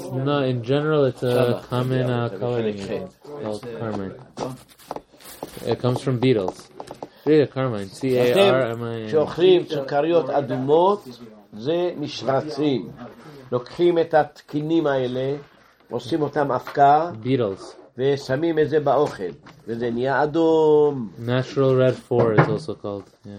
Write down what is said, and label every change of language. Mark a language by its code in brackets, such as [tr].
[en] No, in general it's a common coloring called carmine. It comes from beetles. Read a carmine. C-A-R-M-I-N. [he] שאוכלים סוכריות אדומות, זה משרצים. לוקחים את התקינים האלה, עושים אותם אבקה. [en] Beetles. [he] ושמים את זה באוכל וזה נהיה אדום. [en] Natural red four is also called.